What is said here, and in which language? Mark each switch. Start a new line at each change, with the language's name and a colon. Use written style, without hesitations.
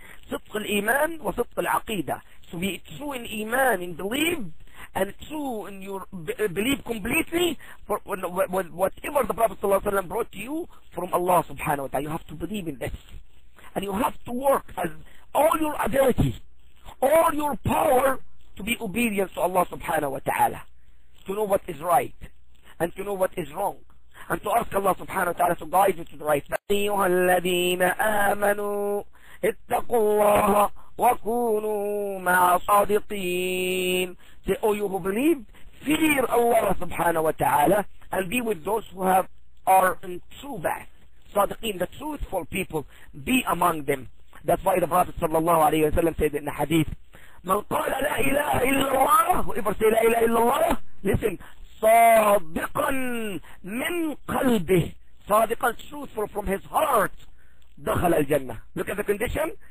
English: Sidq al-iman wa sidq al-aqidah. So be true in iman, in belief, and true in your belief completely, for whatever the Prophet sallallahu alayhi wa sallam brought to you from Allah subhanahu wa ta'ala. You have to believe in this. And you have to work as all your ability, all your power, to be obedient to Allah subhanahu wa ta'ala. To know what is right, and to know what is wrong, and to ask Allah subhanahu wa ta'ala to guide you to the right.
Arabic: أيها الذين آمنوا اتقوا الله وكونوا مع صادقين.
English: Say, oh, you who believe, fear Allah subhanahu wa ta'ala, and be with those who are in true path. Sadiqeen, the truthful people, be among them. That's why the Prophet sallallahu alayhi wa sallam said in the hadith,
Arabic: من قال لا إله إلا الله,
English: whoever say
Arabic: لا إله إلا الله,
English: listen,
Arabic: صادقا من قلبه,
English: صادقا, truthful from his heart,
Arabic: دخل الجنة.
English: Look at the condition.